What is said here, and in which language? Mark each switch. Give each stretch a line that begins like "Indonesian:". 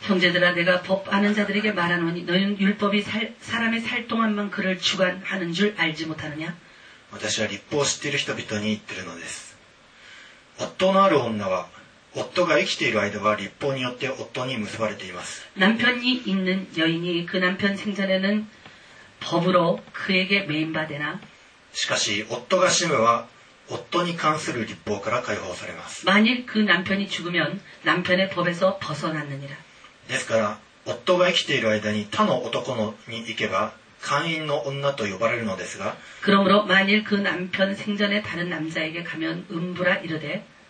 Korean: 형제들아내가법하는자들에게말하노니너는율법이사람의살동안만그를주관하는줄알지못하느냐。
Japanese: 私は律法を知っている人々に言っているのです。夫のある女は夫が生きている間は律法によって夫に結ばれています。
Korean: 남편이있는여인이그남편생전에는법으로그에게매인바되나
Japanese: しかし夫が死むは夫に関する律法から解放されます。
Korean: 만일그남편이죽으면남편의법에서벗어났느니라。
Japanese: ですから夫が生きている間に他の男のに行けば간인의女と呼ばれるのですが
Korean: 그러므로만일그남편생전에다른남자에게가면음부라이르되